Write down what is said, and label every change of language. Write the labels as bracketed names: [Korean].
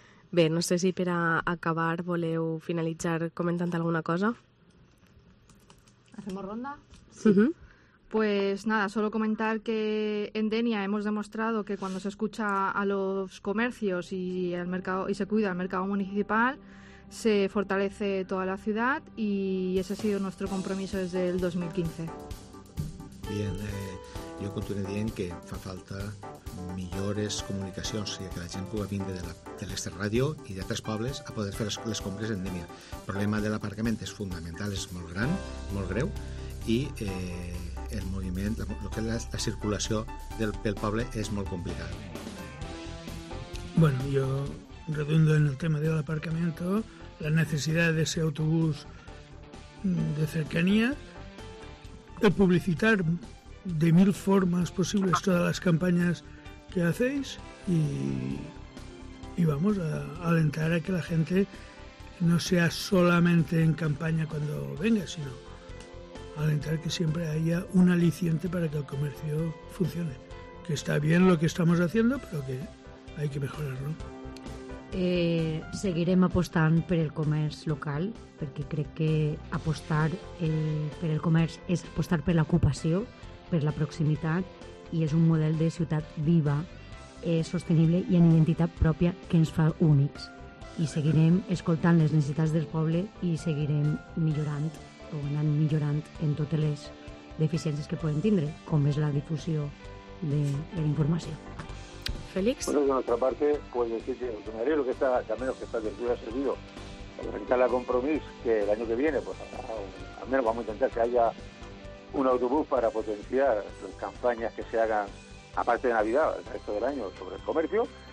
[Catalan] Bé, no sé si per a acabar voleu finalitzar comentant alguna cosa. [Spanish] ¿Hacemos ronda? Sí. Uh-huh. Pues nada, solo comentar que en Dénia hemos demostrado que cuando se escucha a los comercios y al mercado y se cuida el mercado municipal, se fortalece toda la ciudad y ese ha sido nuestro compromiso desde el 2015. Bien, yo continuo diciendo que [Catalan] fa falta millores comunicacions, o sigui, que la gent pugui vindre de l'Ester Ràdio i d'altres pobles a poder fer les compres en Dénia. El problema de l'aparcament és fundamental, és molt gran, molt greu, i el moviment, el que és la circulació pel poble és molt complicat. Bueno, jo redundo en el tema de l'aparcament, la necessitat de ser autobús de cercania, de publicitar de mil formes possibles totes les campanyes que [Spanish] hacéis y vamos a alentar a que la gente no sea solamente en campaña cuando venga, sino alentar que siempre haya un aliciente para que el comercio funcione. Que está bien lo que estamos haciendo, pero que hay que mejorarlo. [Catalan] Seguirem apostant per el comerç local, perquè crec que apostar per el comerç és apostar per l'ocupació, per la proximitat, i és un model de ciutat viva, sostenible i amb identitat pròpia que ens fa únics. I seguirem escoltant les necessitats del poble i seguirem millorant o anant millorant en totes les deficiències que podem tindre, com és la difusió de la informació. Félix? [Spanish] Bueno, de nuestra parte, pues decir que el menos que está del club ha servido presentarle a Compromís que el año que viene, pues al menos vamos a intentar que haya un autobús para potenciar las campañas que se hagan, aparte de Navidad, el resto del año, sobre el comercio.